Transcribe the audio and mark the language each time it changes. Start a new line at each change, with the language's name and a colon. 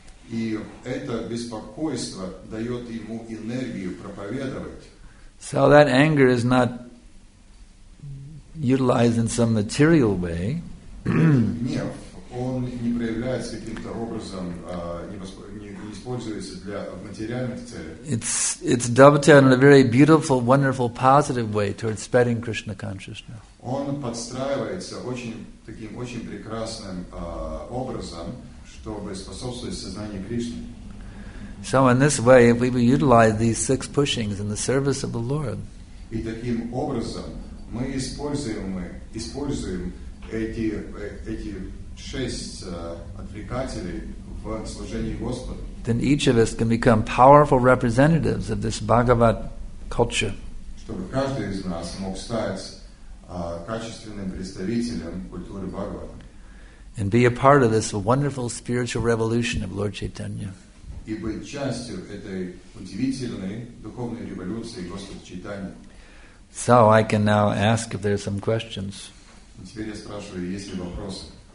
Russian: И это беспокойство дает ему энергию проповедовать.
English: So that anger is not utilized in some material way.
Russian: Нет, он не проявляется каким-то образом, не используется для материальных целей.
English: It's dubbed in a very beautiful, wonderful, positive way towards spreading Krishna consciousness.
Russian: Он подстраивается очень прекрасным образом, чтобы способствовать сознанию Кришны.
English: So in this way, if we would utilize these six pushings in the service of the Lord,
Russian: и таким образом мы используем эти шесть отвлекателей в служении Господу,
English: then each of us can become powerful representatives of this Bhagavad culture.
Russian: Чтобы каждый из нас мог стать качественным представителем культуры Бхагавата.
English: And be a part of this wonderful spiritual revolution of Lord Chaitanya.
Russian: И быть частью этой удивительной духовной революции Господа Чайтаньи.
English: So I can now ask if there are some questions.
Russian: Теперь я спрашиваю, есть ли вопросы?